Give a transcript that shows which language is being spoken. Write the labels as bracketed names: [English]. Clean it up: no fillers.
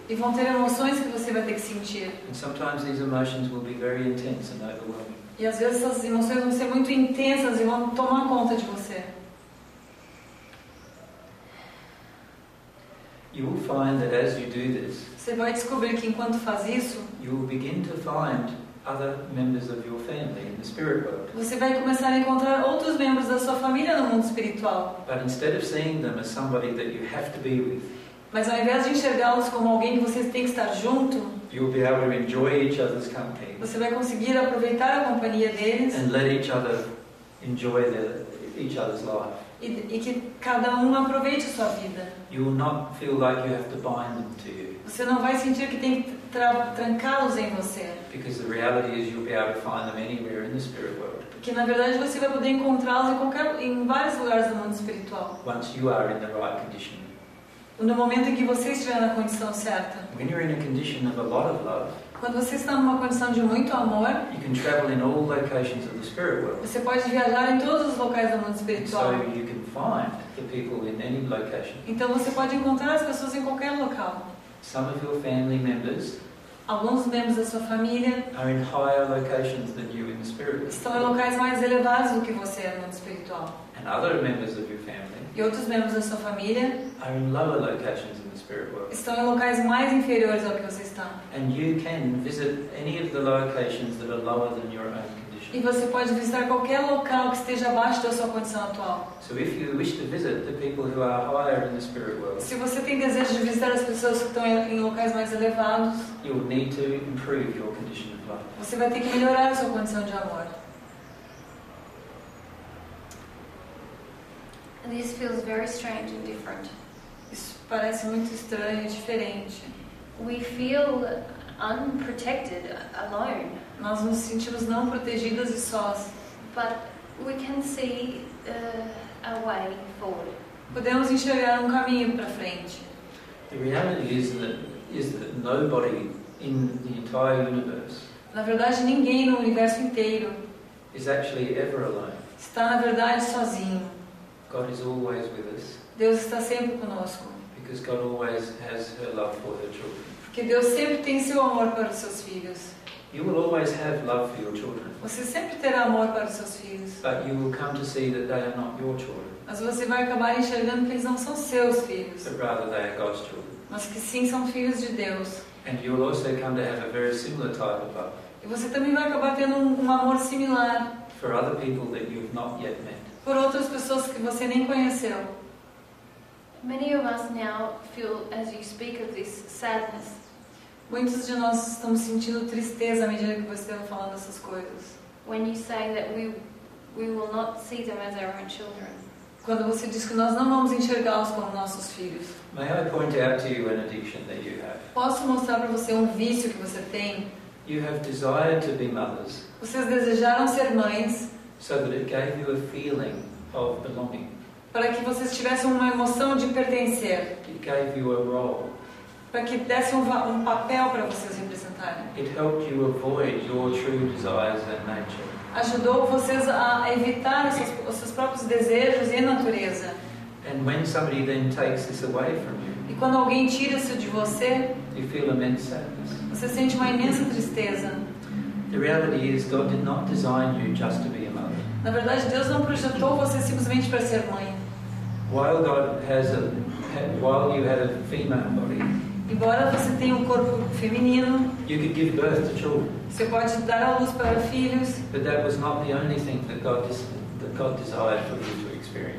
[Portuguese] E vão ter emoções que você vai ter que sentir. [English] And sometimes these emotions will be very intense and overwhelming. [Portuguese] E às vezes essas emoções vão ser muito intensas e vão tomar conta de você. [English] You will find that as you do this, [Portuguese] você vai descobrir que enquanto faz isso, [English] you will begin to find other members of your family in the spirit world. [Portuguese] Você vai começar a encontrar outros membros da sua família no mundo espiritual. [English] But instead of seeing them as somebody that you have to be with, [Portuguese] mas ao invés de enxergá-los como alguém que você tem que estar junto, [English] you'll be able to enjoy each other's company. [Portuguese] Você vai conseguir aproveitar a companhia deles. [English] And let each other enjoy each other's life. [Portuguese] E que cada aproveite sua vida. [English] You will not feel like you have to bind them to you. [Portuguese] Você não vai sentir que tem que trancá-los em você. [English] Because the reality is you'll be able to find them anywhere in the spirit world. [Portuguese] Porque na verdade você vai poder encontrá-los em vários lugares do mundo espiritual. [English] Once you are in the right condition. [Portuguese] No momento em que você estiver na condição certa. [English] When you're in a condition of a lot of love, [Portuguese] quando você está numa condição de muito amor, [English] you can travel in all locations of the spirit world. [Portuguese] Você pode viajar em todos os locais do mundo espiritual. [English] So you can find the people in any location. [Portuguese] Então você pode encontrar as pessoas em qualquer local. [English] Some of your family members, [Portuguese] Alguns membros da sua família [English] are in higher locations than you in the spirit. [Portuguese] Estão em locais mais elevados do que você no mundo espiritual. [English] And other members of your family [Portuguese] e outros membros da sua família [English] are in lower locations in the spirit world. [Portuguese] Estão em locais mais inferiores ao que você está. [English] And you can visit any of the locations that are lower than your own condition. [Portuguese] E você pode visitar qualquer local que esteja abaixo da sua condição atual. [English] So if you wish to visit the people who are higher in the spirit world, [Portuguese] se você tem desejo de visitar as pessoas que estão em locais mais elevados, [English] you will need to improve your condition of life. [Portuguese] Você vai ter que melhorar a sua condição de amor. [English] This feels very strange and different. [Portuguese] Isso parece muito estranho e diferente. [English] We feel unprotected, alone. [Portuguese] Nós nos sentimos não protegidas e sós. [English] But we can see a way forward. [Portuguese] Podemos enxergar um caminho para frente. [English] The reality is that nobody in the entire universe. [Portuguese] Na verdade, ninguém no universo inteiro. [English] Is actually ever alone. [Portuguese] Está na verdade sozinho. [English] God is always with us. [Portuguese] Deus está sempre conosco. [English] Because God always has her love for her children. [Portuguese] Porque Deus sempre tem seu amor para os seus filhos. [English] You will always have love for your children. [Portuguese] Você sempre terá amor para os seus filhos. [English] But you will come to see that they are not your children. [Portuguese] Mas você vai acabar enxergando que eles não são seus filhos. [English] But rather they are God's children. [Portuguese] Mas que sim são filhos de Deus. [English] And you will also come to have a very similar type of love. [Portuguese] E você também vai acabar tendo um amor similar. [English] For other people that you have not yet met. [Portuguese] Por outras pessoas que você nem conheceu. [English] Many of us now feel, as you speak of this sadness. [Portuguese] Muitos de nós estamos sentindo tristeza à medida que você está falando essas coisas. [English] When you say that we will not see them as our own children. [Portuguese] Quando você diz que nós não vamos enxergá-los como nossos filhos. [English] May I point out to you an addiction that you have? [Portuguese] Posso mostrar para você vício que você tem? [English] You have desired to be mothers. [Portuguese] Vocês desejaram ser mães. [English] So that it gave you a feeling of belonging. [Portuguese] Para que vocês tivessem uma emoção de pertencer. [English] It gave you a role. [Portuguese] Para que desse um papel para vocês representarem. [English] It helped you avoid your true desires and nature. [Portuguese] Ajudou vocês a evitar os seus próprios desejos e natureza. [English] And when somebody then takes this away from you, [Portuguese] e quando alguém tira isso de você, [English] you feel immense sadness. [Portuguese] Você sente uma imensa tristeza. [English] The reality is God did not design you just to be a mother. [Portuguese] Na verdade, Deus não projetou você simplesmente para ser mãe. [English] While God has a, while you have a female body, [Portuguese] embora você tenha corpo feminino, [English] you could give birth to children. [Portuguese] Você pode dar à luz para filhos. [English] But that was not the only thing that God desired for you to experience.